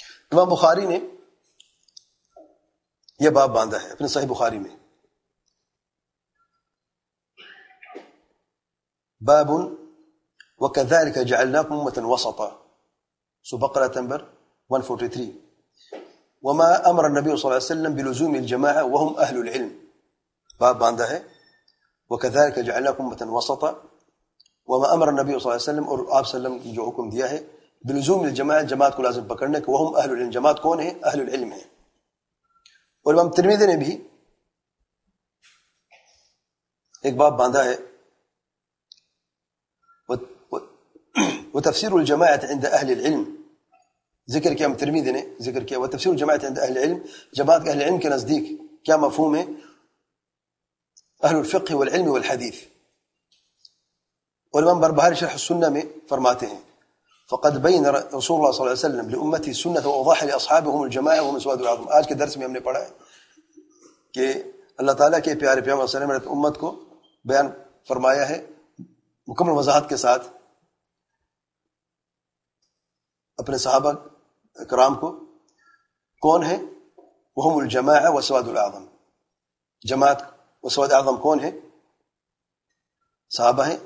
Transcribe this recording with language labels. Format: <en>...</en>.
<ur>امام بخاری نے یہ باب باندھا ہے اپنے صحیح بخاری میں، باب</ur> <ar>وكذلك جعلناكم امه وسطا،</ar> <ur>سورة بقرة نمبر 143.</ur> <ar>وما امر النبي صلى الله عليه وسلم بلزوم الجماعه وهم اهل العلم،</ar> <ur>باب باندھا ہے</ur> <ar>وكذلك جعلناكم امه وسطا. وما امر النبي صلى الله عليه وسلم</ar> <ur>اور آپ صلی اللہ علیہ وسلم جو حکم دیا ہے</ur> <ar>بلزوم الجماعه،</ar> <ur>جماعت کو لازم پکڑنے کے،</ur> <ar>وهم اهل العلم،</ar> <ur>جماعت کون ہے؟ اهل العلم ہے. اور امام ترمذی نے بھی ایک باب باندھا ہے،</ur> <ar>وتفسير الجماعه عند اهل العلم،</ar> <ur>ذکر کیا ام ترمذی نے، ذکر کیا وتفسير الجماعه عند اهل العلم، جماعت اهل العلم کے نزدیک کیا مفہوم ہے؟</ur> <ar>اهل الفقه والعلم والحديث.</ar> <ur>امام بربهاري شرح السنه میں فرماتے ہیں،</ur> <ar>فقد بين رسول الله صلى الله عليه وسلم لامته السنه واضح لاصحابهم الجماعه ومن سواد العظم.</ar> <ur>آج کے درس میں ہم نے پڑھا ہے کہ اللہ تعالی کے پیارے پیغمبر صلی اللہ علیہ وسلم نے امت کو بیان فرمایا ہے مکمل وضاحت کے ساتھ اپنے صحابہ اکرام کو، کون ہے؟</ur> <ar>وہم الجماعہ وسواد الاعظم،</ar> <ur>جماعت وسواد اعظم کون ہے؟ صحابہ ہیں.</ur>